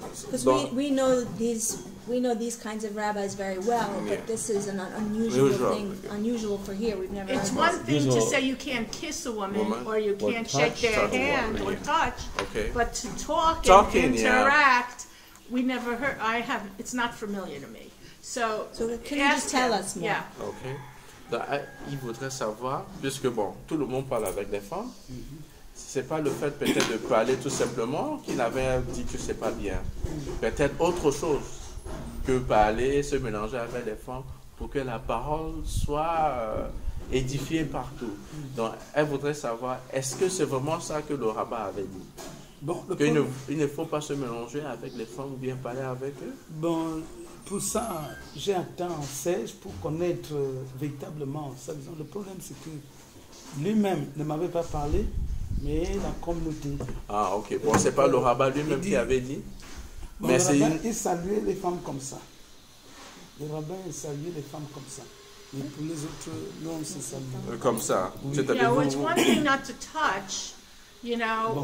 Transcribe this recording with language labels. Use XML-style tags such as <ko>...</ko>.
<en>Because we know these kinds of rabbis very well, but this is an unusual thing for here. We've never. It's one thing to say you can't kiss a woman or you can't shake their hand or touch, but to talk and interact, we never heard. I have. It's not familiar to me. So can you just tell us more? Yeah. Okay.</en> <fr>Donc, il voudrait savoir, puisque bon, tout le monde parle avec des femmes. Mm-hmm. C'est pas le fait peut-être de parler tout simplement qu'il avait dit que c'est pas bien. Peut-être autre chose. Que parler, se mélanger avec les femmes pour que la parole soit édifiée partout. Donc, elle voudrait savoir, est-ce que c'est vraiment ça que le rabbin avait dit? Bon, il ne faut pas se mélanger avec les femmes ou bien parler avec eux? Bon, pour ça, j'ai attendu Serge pour connaître véritablement sa vision. Le problème, c'est que lui-même ne m'avait pas parlé, Mais la communauté. Ah, ok. Bon, c'est pas le rabbin lui-même qui avait dit. Bon, mais le rabbin, il saluait les femmes comme ça. Le rabbin, il saluait les femmes comme ça. Mais pour les autres, non, c'est ça. Comme ça. Oui.</fr> <en>You know, it's one thing not to touch, you know, bon.</en>